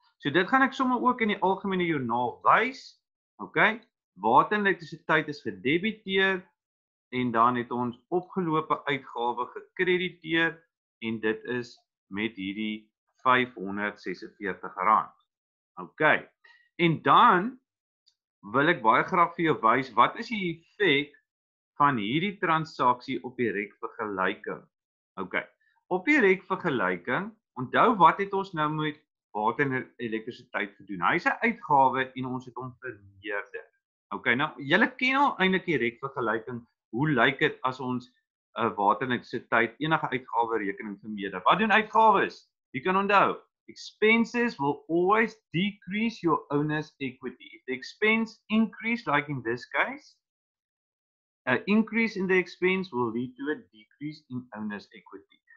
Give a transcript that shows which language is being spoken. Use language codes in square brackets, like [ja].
[af] So dit gaan ek sommer ook in die algemene joernaal wys. Ok, water en elektrisiteit is gedebiteer, en dan het ons opgelope uitgawe gekrediteer, en dit is met hierdie R546. Ok, en dan wil ek baie graag vir jou wys, wat is die effek van hierdie transaksie op die rekvergelyking? Ok, op die rekvergelyking, onthou wat het ons nou met water en elektrisiteit gedoen? Hy is 'n uitgawe en ons het hom verneerder. Ok, nou, julle ken al eintlik die rekvergelyking. Hoe lyk dit as ons water en elektrisiteit enige uitgawe rekening vermeerder? Wat doen uitgawes? Jy kan onthou, [en] expenses will always decrease your owner's equity. If the expense increase, like in this case, an increase in the expense will lead to a decrease in owner's equity.